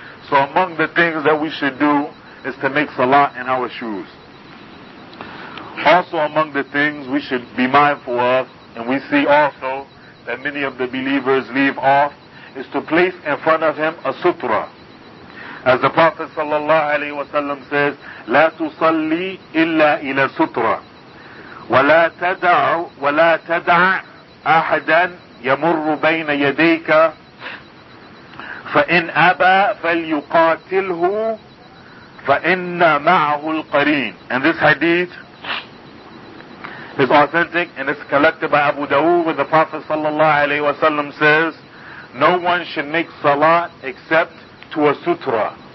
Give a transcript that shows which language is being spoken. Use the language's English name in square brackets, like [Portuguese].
[English] So among the things that we should do is to make salah in our shoes. Also among the things we should be mindful of, and we see also that many of the believers leave off, is to place in front of him a sutra. As the Prophet sallallahu alaihi wasallam says, [Arabic] لا تصلي إلا إلى سترة ولا تدع أحدا يمر بين يديك فإن أبى فليقاتله فإن معه القرين. [English] And this hadith is authentic and it's collected by Abu Dawood, where the Prophet sallallahu alaihi wasallam says, no one should make salat except to a sutra.